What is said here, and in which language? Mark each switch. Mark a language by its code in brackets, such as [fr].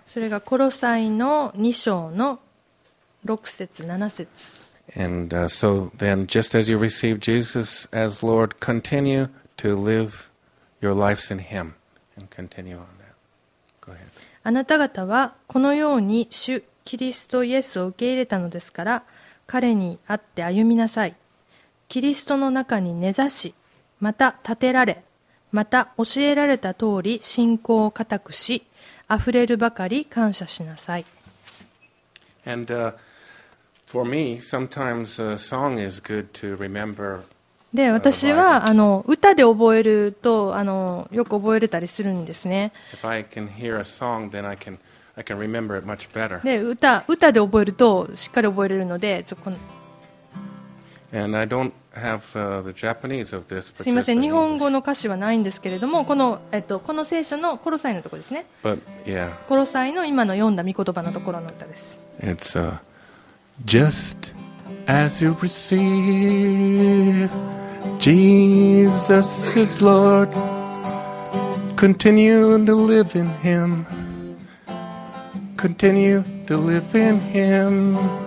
[ja] それがコロサイの2章の6節7節。 [en] And so then, just as you received Jesus as Lord, continue to live Your life's in him. And continue on that. Go ahead. [ja] あなた方はこのように主キリストイエスを受け入れたのですから、彼に会って歩みなさい。キリストの中に根ざし、また立てられ、また教えられた通り信仰を固くし、あふれるばかり感謝しなさい。 [en] And, for me, sometimes a song is good to remember. [ja] で、私は歌で覚えるとよく覚えれたりするんですね。 [en] If I can hear a song, then I can remember it much better. [ja] で、歌で覚えるとしっかり覚えれるので、 [en] And I don't have the Japanese of this. [ja] すみません、日本語の歌詞はないんですけれども、この聖書のコロサイのところですね。 [en] But, yeah. [ja] コロサイの今の読んだ御言葉のところの歌です。 [en] It's just as you receive Jesus is Lord, continue to live in Him, continue to live in Him.